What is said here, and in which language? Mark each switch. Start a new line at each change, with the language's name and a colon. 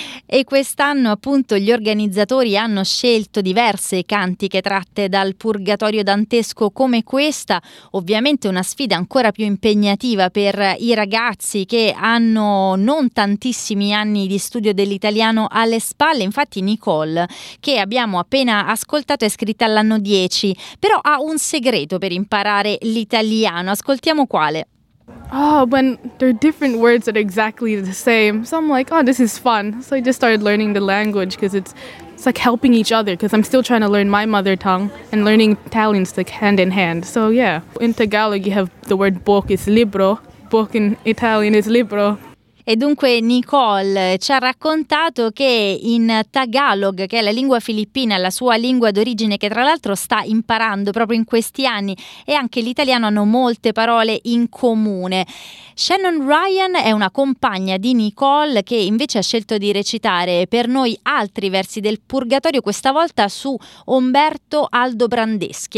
Italian: E quest'anno appunto gli organizzatori hanno scelto diverse cantiche tratte dal purgatorio dantesco come questa, ovviamente una sfida ancora più impegnativa per i ragazzi che hanno non tantissimi anni di studio dell'italiano alle spalle. Infatti Nicole, che abbiamo appena ascoltato, è scritta all'anno 10, però ha un segreto per imparare l'italiano, ascoltiamo quale.
English: Oh, when there are different words that are exactly the same. So I'm like, oh, this is fun. So I just started learning the language because it's like helping each other, because I'm still trying to learn my mother tongue and learning Italians like hand in hand. So yeah, in Tagalog you have the word book is libro. Book in Italian is libro.
Italian: E dunque Nicole ci ha raccontato che in Tagalog, che è la lingua filippina, la sua lingua d'origine, che tra l'altro sta imparando proprio in questi anni, e anche l'italiano hanno molte parole in comune. Shannon Ryan è una compagna di Nicole che invece ha scelto di recitare per noi altri versi del Purgatorio, questa volta su Umberto Aldobrandeschi.